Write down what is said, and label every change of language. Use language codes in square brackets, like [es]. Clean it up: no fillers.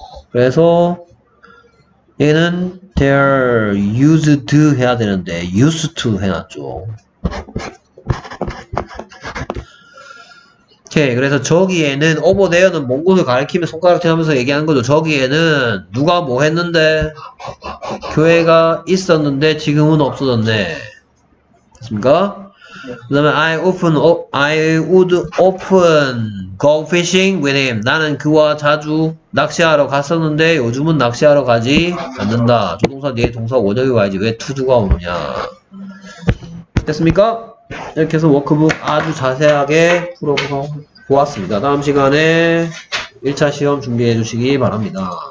[ko] 그래서 얘는 [en] there used to [ko] 해야 되는데 used to 해놨죠. 오케이. 그래서 저기에는 [en] over there [ko] 는 뭔 곳을 가리키며 손가락 대면서 얘기하는 거죠. 저기에는 누가 뭐 했는데 교회가 있었는데 지금은 없어졌네. 됐습니까? [en] 그 다음에 I would often go fishing with him. [ko] 나는 그와 자주 낚시하러 갔었는데 요즘은 낚시하러 가지 않는다. 조동사 뒤에 동사 원형이 와야지 왜 to가 오느냐. 됐습니까? 이렇게 해서 워크북 아주 자세하게 풀어서 보았습니다. 다음 시간에 1차 시험 준비해 주시기 바랍니다.